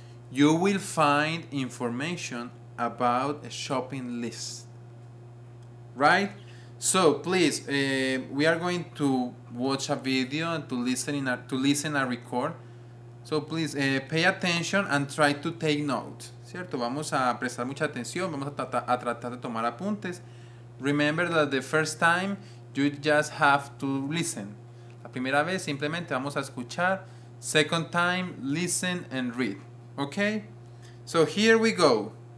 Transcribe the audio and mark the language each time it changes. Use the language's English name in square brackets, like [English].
[English] You will find information about a shopping list. Right? So, please, we are going to watch a video and to listen a record. So please pay attention and try to take notes. [Spanish] ¿Cierto? Vamos a prestar mucha atención, vamos a tratar de tomar apuntes. [English] Remember that the first time you just have to listen. [Spanish] La primera vez simplemente vamos a escuchar. [English] Second time, listen and read. Okay? So here we go.